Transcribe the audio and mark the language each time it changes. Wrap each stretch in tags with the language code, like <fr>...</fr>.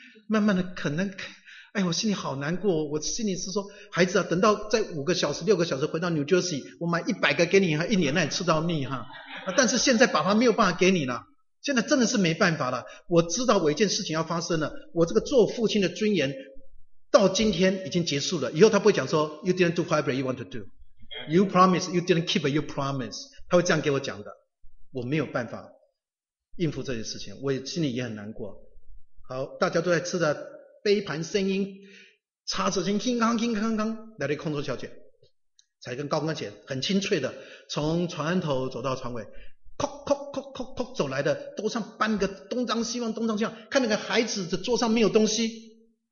<zh>慢慢的可能，哎，我心里好难过。我心里是说，孩子啊，等到再5个小时、6个小时回到 New Jersey， 我买100个给你，一年让你吃到腻哈。但是现在爸爸没有办法给你了，现在真的是没办法了。我知道我一件事情要发生了，我这个做父亲的尊严到今天已经结束了。以后他不会讲说</zh> <en>，You didn't do whatever you want to do， you promise you didn't keep your promise， 他会这样给我讲的。</en> <zh>我没有办法应付这件事情，我心里也很难过。好，大家都在吃的杯盘声音叉子声叮当叮当当，来了一个空中小姐，才跟高跟鞋很清脆的从船头走到船尾，叩叩叩叩叩走来的，桌上搬个东张西望，看那个孩子的桌上没有东西。</zh>